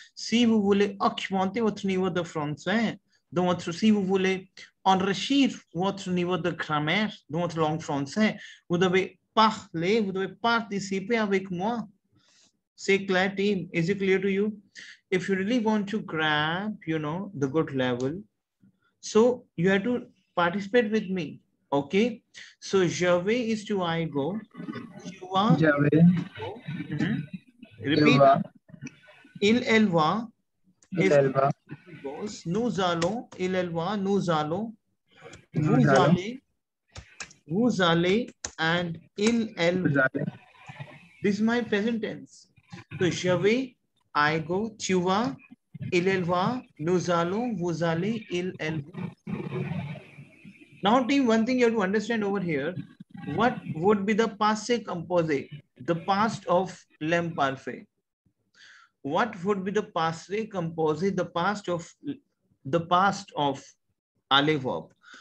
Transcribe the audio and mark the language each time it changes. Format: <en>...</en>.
<fr>Si vous voulez augmenter votre niveau de français, dans votre, si vous voulez enrichir votre niveau de grammaire, dans votre langue française, vous devez parler, vous devez participer avec moi. C'est clair,</fr> <en>team. Is it clear to you? If you really want to grab, you know, the good level, so you have to participate with me. Okay. So</en> <fr>je vais</fr> <en>is to I go.</en> <fr>Tu vas. Je vais. Mm-hmm.</fr> <en>Repeat.</en> <fr>Je vais. Il, elle va. Il, elle va. Nous allons. Il, elle va. Nous allons. Vous allez. Vous allez. And il, elle va. Vous allez. This is my present tense. So je vais.</fr> <en>I go,</en> <fr>tu vas, il, elle va, nous allons, vous allez, il, elle va.</fr> <en>Now, team, one thing you have to understand over here, what would be the passé composé, the past of l'imparfait? What would be the passé composé, the past of aller verb?</en>